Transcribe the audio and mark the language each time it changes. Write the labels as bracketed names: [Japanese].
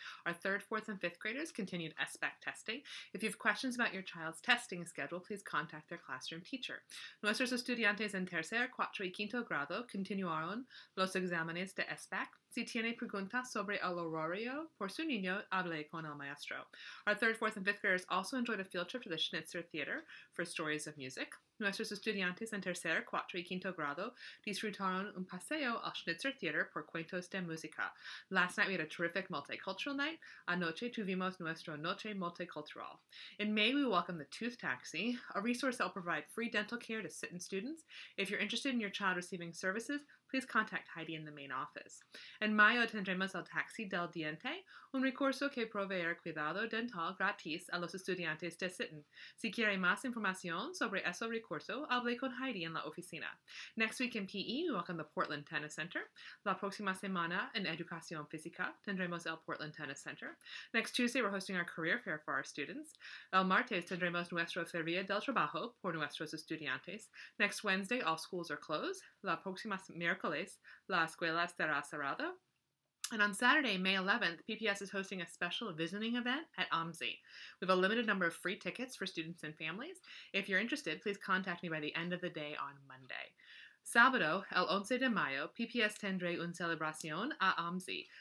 [English] Our third, fourth, and fifth graders continued SBEC testing. If you have questions about your child's testing schedule, please contact their classroom teacher. [Spanish] Nuestros estudiantes en tercer, cuarto y quinto grado continuaron los exámenes de SBEC. Si tiene preguntas sobre el horario por su niño, hable con el maestro. [English] Our third, fourth, and fifth graders also enjoyed a field trip to the Schnitzer Theater for stories of music. [Spanish] Nuestros estudiantes en tercer, cuarto y quinto grado disfrutaron un paseo al Schnitzer Theater por cuentos de música. [English] Last night we had a terrific multicultural night. [Spanish] Anoche tuvimos nuestra noche multicultural. [English] In May, we welcome the Tooth Taxi, a resource that will provide free dental care to Sitton students. If you're interested in your child receiving services, please contact Heidi in the main office. [Spanish] En mayo tendremos el Taxi del Diente, un recurso que proveer cuidado dental gratis a los estudiantes de Sitton. Si quiere más información sobre eso recurso, hable con Heidi en la oficina. [English] Next week in PE, we welcome the Portland Tennis Center. [Spanish] La próxima semana en Educación Física, tendremos el Portland Tennis Center. [English] Next Tuesday, we're hosting our career fair for our students. [Spanish] El martes, tendremos nuestra feria del trabajo por nuestros estudiantes. [English] Next Wednesday, all schools are closed. [Spanish] La próxima miércoles, la escuela estará cerrada. [English] And on Saturday, May 11th, PPS is hosting a special visiting event at OMSI. We have a limited number of free tickets for students and families. If you're interested, please contact me by the end of the day on Monday. [Spanish] Sábado, el 11 de mayo, PPS tendré una celebración a OMSI.